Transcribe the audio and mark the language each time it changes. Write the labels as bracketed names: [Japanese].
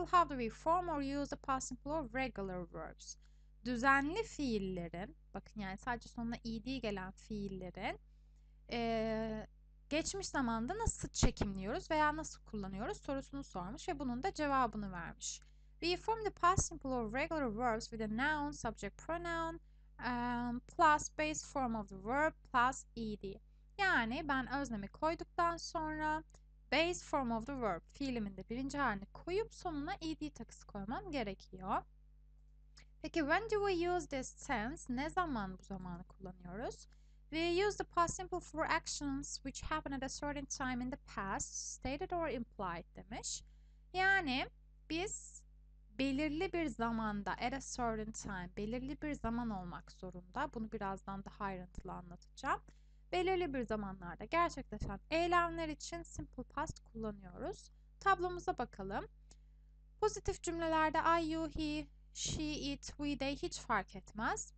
[English] How do we form or use the past simple of regular verbs? [Turkish] Düzenli fiillerin, bakın yani sadece sonuna ed gelen fiillerin geçmiş zamanda nasıl çekimliyoruz veya nasıl kullanıyoruz sorusunu sormuş ve bunun da cevabını vermiş. [English] We form the past simple of regular verbs with a noun, subject pronoun, plus base form of the verb plus ed. [Turkish] Yani ben öznemi koyduktan sonra [English] base form of the verb [Turkish] fiilimin de birinci halini koyup sonuna ed takısı koymam gerekiyor. Peki [English] when do we use this tense? [Turkish] Ne zaman bu zamanı kullanıyoruz? [English] We use the past simple for actions which happened at a certain time in the past, stated or implied [Turkish] demiş. Yani biz belirli bir zamanda, [English] at a certain time, [Turkish] belirli bir zaman olmak zorunda. Bunu birazdan daha ayrıntılı anlatacağım. Belirli bir zamanlarda gerçekleşen eylemler için simple past kullanıyoruz. Tablomuza bakalım. Pozitif cümlelerde [English] I, you, he, she, it, we, they [Turkish] hiç fark etmez.